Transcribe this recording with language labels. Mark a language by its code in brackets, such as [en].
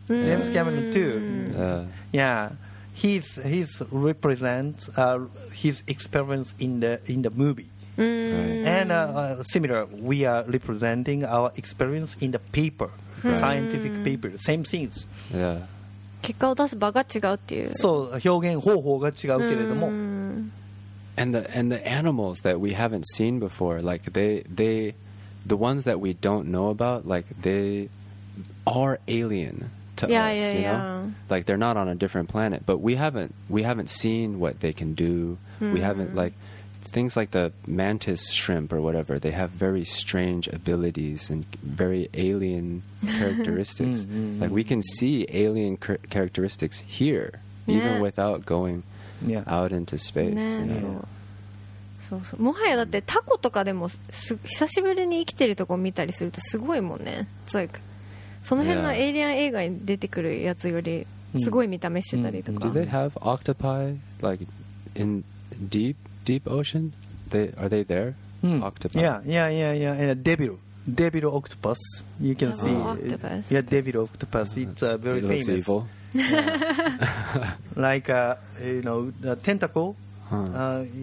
[en] James Cameron too. Yeah, he's represents his experience in the movie, and similar. We are representing our experience in the paper, scientific paper. Same things. Yeah. [ja] 結果を出す場が違うっていう。そう、表現方法が違うけれども。 [en] And the animals that we haven't seen before, like the ones that we don't know about, like they are alien to us, you know? Yeah. Like they're not on a different planet, but we haven't seen what they can do. We haven't like things like the mantis shrimp or whatever. They have very strange abilities and very alien characteristics. Like we can see alien characteristics here, even without going out into space、ね、you know? [ja] そうそう、もはやだってタコとかでも久しぶりに生きてるとこ見たりするとすごいもんね。 [en] It's like, [ja] その辺のエイリアン映画に出てくるやつよりすごい見た目してたりとか、 [en] うんうん、Do they have octopi like in deep, deep ocean? They, are they there?、うん、octopi? Yeah, yeah, yeah, yeah. And a devil. Devil octopus, you can see. Octopus. Yeah, devil octopus. It's、very it famous. It looks evil. like you know, the tentacle.、Huh.